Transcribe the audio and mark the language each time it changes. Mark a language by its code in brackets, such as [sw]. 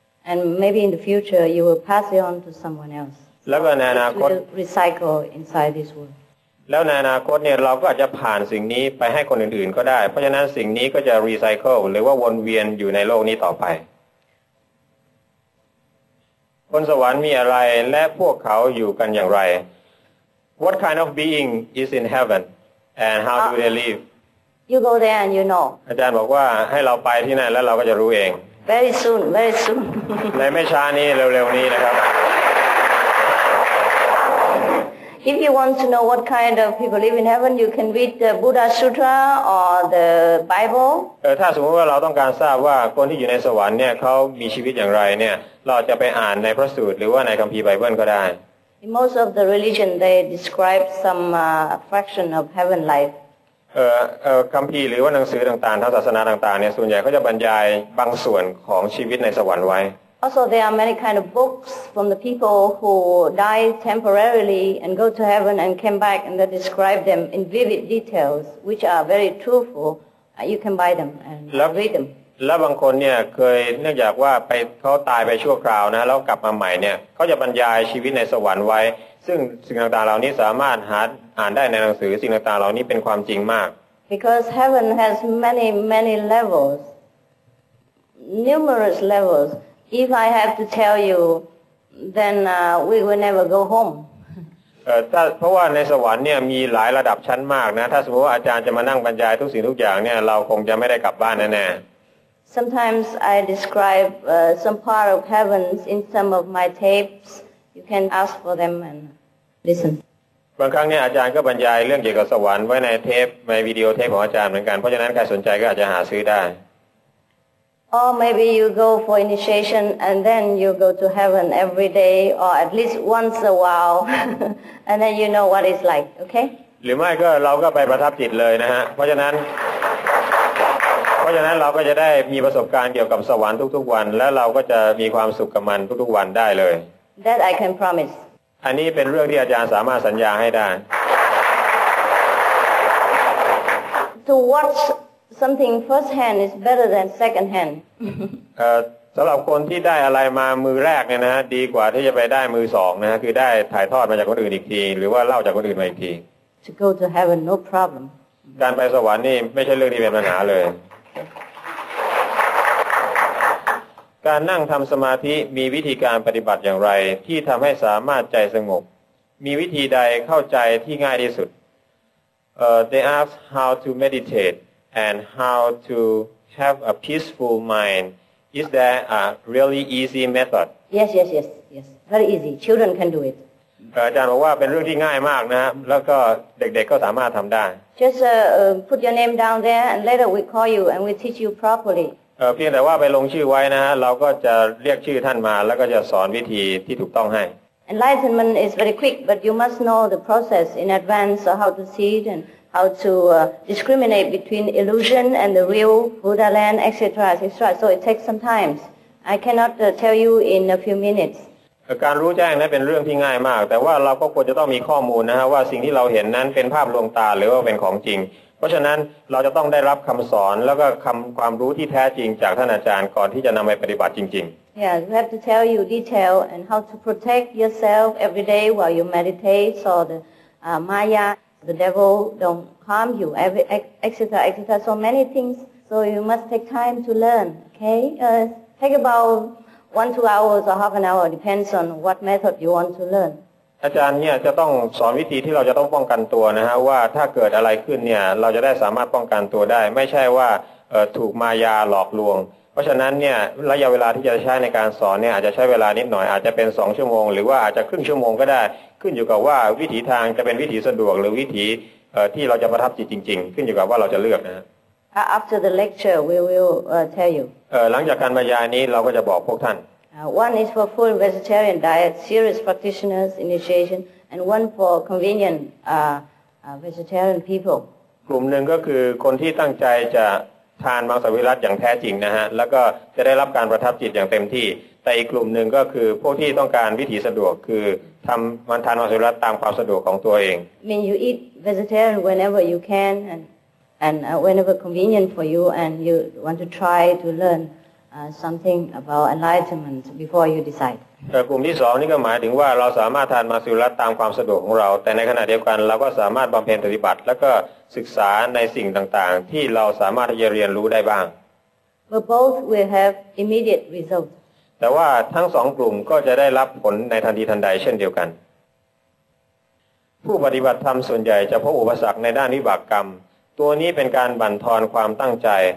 [en] And maybe in the future you will pass it on to someone else [th] แล้วในอนาคต [en] recycle inside this world [th] แล้วในอนาคตเนี่ยเราก็อาจจะผ่านสิ่งนี้ไปให้คนอื่นๆก็ได้เพราะฉะนั้นสิ่งนี้ก็จะ recycle หรือว่าวนเวียนอยู่ในโลกนี้ต่อไปบนสวรรค์มีอะไรและพวกเขาอยู่กันอย่างไร [en] What kind of being is in heaven, and how do they live? You go there and you know. [th] อาจารย์บอกว่าให้เราไปที่นั่นแล้วเราก็จะรู้เอง [en] Very soon, very soon. [th] ในไม่ช้านี้เร็วๆนี้นะครับ [en] If you want to know what kind of people live in heaven, you can read the Buddha Sutra or the Bible. [th] ถ้าสมมติว่าเราต้องการทราบว่าคนที่อยู่ในสวรรค์เนี่ยเขามีชีวิตอย่างไรเนี่ยเราจะไปอ่านในพระสูตรหรือว่าในคัมภีร์ไบเบิลก็ได้ [en] Most of the religion they describe some fraction of heaven life. [th] คัมภีร์หรือว่าหนังสือต่างๆทางศาสนาต่างๆเนี่ยส่วนใหญ่เขาจะบรรยายบางส่วนของชีวิตในสวรรค์ไว้ [en] Also there are many kind of books from the people who die temporarily and go to heaven and came back and they describe them in vivid details which are very truthful. You can buy them and read them. [th] และบางคนเนี่ยเคยเนื่องจากว่าไปเขาตายไปชั่วคราวนะแล้วกลับมาใหม่เนี่ยเขาจะบรรยายชีวิตในสวรรค์ไว้ซึ่งสิ่งต่างๆเหล่านี้สามารถหาอ่านได้ในหนังสือสิ่งต่างๆเหล่านี้เป็นความจริงมาก [en] Because heaven has many many levels numerous levels if I have to tell you then we will never go home [th] เพราะว่าในสวรรค์เนี่ยมีหลายระดับชั้นมากนะถ้าสมมติว่าอาจารย์จะมานั่งบรรยายทุกสิ่งทุกอย่างเนี่ยเราคงจะไม่ได้กลับบ้านแน่ [en] Sometimes I describe some part of heavens in some of my tapes. You can ask for them and listen. [th] บางครั้งเนี่ยอาจารย์ก็บรรยายเรื่องเกี่ยวกับสวรรค์ไว้ในเทปในวิดีโอเทปของอาจารย์เหมือนกันเพราะฉะนั้นใครสนใจก็อาจจะหาซื้อได้ [en] Or maybe you go for initiation and then you go to heaven every day or at least once a while and then you know what it's like, okay? [th] หรือไม่ก็เราก็ไปประทับจิตเลยนะฮะเพราะฉะนั้นเพราะฉะนั้นเราก็จะได้มีประสบการณ์เกี่ยวกับสวรรค์ทุกๆวันและเราก็จะมีความสุขกับมันทุกๆวันได้เลย [en] That I can promise [th] อันนี้เป็นเรื่องที่อาจารย์สามารถสัญญาให้ได้ [en] To watch something first hand is better than second hand [th] สำหรับคนที่ได้อะไรมามือแรกเนี่ยนะดีกว่าที่จะไปได้มือสองนะคือได้ถ่ายทอดมาจากคนอื่นอีกทีหรือว่าเล่าจากคนอื่นมาอีกที [en] To go to heaven no problem [th] การไปสวรรค์นี่ไม่ใช่เรื่องที่เป็นปัญหาเลยการนั่งทำสมาธิมีวิธีการปฏิบัติอย่างไรที่ทำให้สามารถใจสงบมีวิธีใดเข้าใจที่ง่ายที่สุด [en] They ask how to meditate and how to have a peaceful mind Is there a really easy method Yes very easy children can do it [th] อาจารย์บอกว่าเป็นเรื่องที่ง่ายมากนะแล้วก็เด็กๆก็สามารถทำได้ [en] Just put your name down there and later we call you and we teach you properly [th] เพียงแต่ว่าไปลงชื่อไว้นะฮะเราก็จะเรียกชื่อท่านมาแล้วก็จะสอนวิธีที่ถูกต้องให้ [en] Enlightenment is very quick but you must know the process in advance of how to see it and how to discriminate between illusion and the real Buddha land etc. so it takes some time I cannot tell you in a few minutes [th] การรู้แจ้งนั้นเป็นเรื่องที่ง่ายมากแต่ว่าเราก็ควรจะต้องมีข้อมูลนะฮะว่าสิ่งที่เราเห็นนั้นเป็นภาพลวงตาหรือว่าเป็นของจริงเพราะฉะนั้นเราจะต้องได้รับคำสอนแล้วก็คำความรู้ที่แท้จริงจากท่านอาจารย์ก่อนที่จะนำไปปฏิบัติจริง [en] ๆ Yeah, we have to tell you detail and how to protect yourself every day while you meditate so the Maya, the devil don't harm you, etc. So many things, so you must take time to learn, okay? Take about 1-2 hours or half an hour, depends on what method you want to learn. [th] อาจารย์เนี่ยจะต้องสอนวิธีที่เราจะต้องป้องกันตัวนะฮะว่าถ้าเกิดอะไรขึ้นเนี่ยเราจะได้สามารถป้องกันตัวได้ไม่ใช่ว่าถูกมายาหลอกลวงเพราะฉะนั้นเนี่ยระยะเวลาที่จะใช้ในการสอนเนี่ยอาจจะใช้เวลานิดหน่อยอาจจะเป็น2 ชั่วโมงหรือว่าอาจจะครึ่งชั่วโมงก็ได้ขึ้นอยู่กับว่าวิธีทางจะเป็นวิธีสะดวกหรือวิธีที่เราจะประทับจิตจริงๆขึ้นอยู่กับว่าเราจะเลือกนะฮะ [en] After the lecture we will tell you [th] หลังจากการบรรยายนี้เราก็จะบอกพวกท่าน [en] One is for full vegetarian diet, serious practitioners initiation, and one for convenient vegetarian people. [th] กลุ่มหนึ่งก็คือคนที่ตั้งใจจะทานมังสวิรัติอย่างแท้จริงนะฮะแล้วก็จะได้รับการประทับจิตอย่างเต็มที่แต่อีกกลุ่มหนึ่งก็คือพวกที่ต้องการวิธีสะดวกคือทำมันทานมังสวิรัติตามความสะดวกของตัวเอง [en] Mean you eat vegetarian whenever you can and whenever convenient for you and you want to try to learn. Something about enlightenment before you decide. [th] กลุ่มที่สองนี่ก็หมายถึงว่าเราสามารถทานมังสวิรัติตามความสะดวกของเราแต่ในขณะเดียวกันเราก็สามารถบำเพ็ญปฏิบัติแล้วก็ศึกษาในสิ่งต่างๆที่เราสามารถจะเรียนรู้ได้บ้าง [en] But both will have immediate results. [th] แต่ว่าทั้งสองกลุ่มก็จะได้รับผลในทันทีทันใดเช่นเดียวกันผู้ปฏิบัติธรรมส่วนใหญ่จะพบอุปสรรคในด้านวิบากกรรมตัวนี้เป็นการบั่นทอนความตั้งใจ